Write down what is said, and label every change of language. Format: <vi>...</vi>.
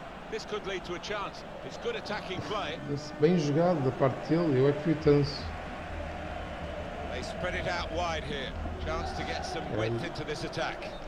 <en>This could lead to a chance. It's good attacking play.</en> <pt>Bem jogado da parte dele, eu é que fui tenso.</pt> <en>They spread it out wide here. Chance to get some width into this attack.</en>